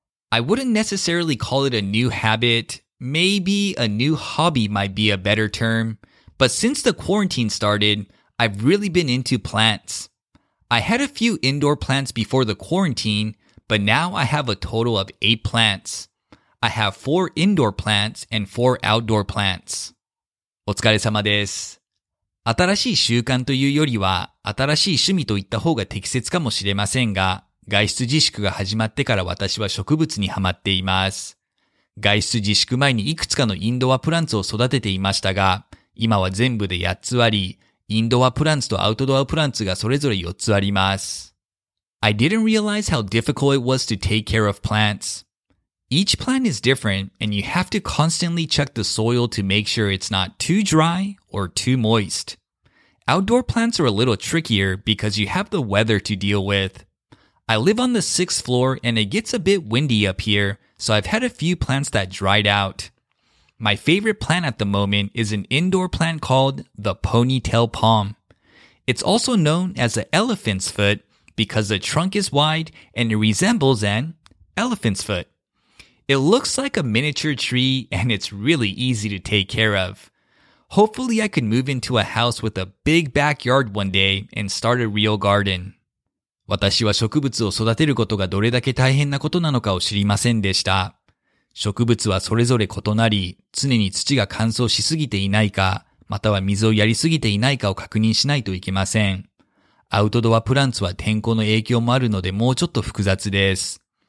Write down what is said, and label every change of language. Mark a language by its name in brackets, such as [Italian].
[English] I wouldn't necessarily call it a new habit. Maybe a new hobby might be a better term, but since the quarantine started, I've really been into plants. I had a few indoor plants before the quarantine, but now I have a total of 8 plants. I have 4 indoor plants and 4 outdoor plants. [Japanese] お疲れ様です。新しい習慣というよりは、新しい趣味といった方が適切かもしれませんが、外出自粛が始まってから私は植物にハマっています。外出自粛前にいくつかのインドアプランツを育てていましたが、今は全部で8つあり、インドアプランツとアウトドアプランツがそれぞれ4つあります。 [English] I didn't realize how difficult it was to take care of plants. Each plant is different, and you have to constantly check the soil to make sure it's not too dry or too moist. Outdoor plants are a little trickier because you have the weather to deal with. I live on the 6th floor, and it gets a bit windy up here, so I've had a few plants that dried out. My favorite plant at the moment is an indoor plant called the ponytail palm. It's also known as the elephant's foot because the trunk is wide and it resembles an elephant's foot. It looks like a miniature tree and it's really easy to take care of. Hopefully I could move into a house with a big backyard one day and start a real garden. [Japanese] 私は植物を育てることがどれだけ大変なことなのかを知りませんでした。植物はそれぞれ異なり、常に土が乾燥しすぎていないか、または水をやりすぎていないかを確認しないといけません。アウトドアプランツは天候の影響もあるのでもうちょっと複雑です。